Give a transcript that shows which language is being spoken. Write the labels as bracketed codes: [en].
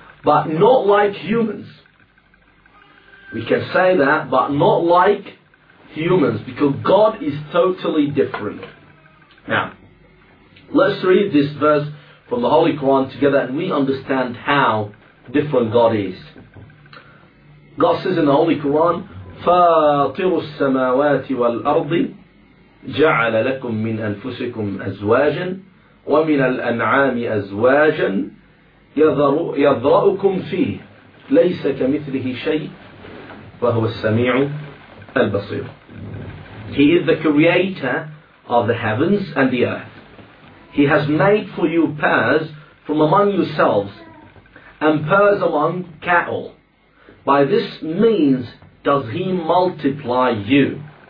[en] But not like humans. We can say that, but not like humans, because God is totally different. Now, let's read this verse from the Holy Quran together and we understand how different God is. God says in the Holy Quran, [ar] فَاطِرُ السَّمَاوَاتِ وَالْأَرْضِ جَعَلَ لَكُم مِّنْ أَنفُسِكُمْ أَزْوَاجًا وَمِنَ الْأَنْعَامِ أَزْوَاجًا يَذْرَؤُكُمْ فِيهِ لَيْسَ كَمِثْلِهِ شَيْءٍ وَهُوَ السَّمِيعُ الْبَصِيرُ. [en] He is the creator of the heavens and the earth. He has made for you pairs from among yourselves and pairs among cattle. By this means does he multiply you.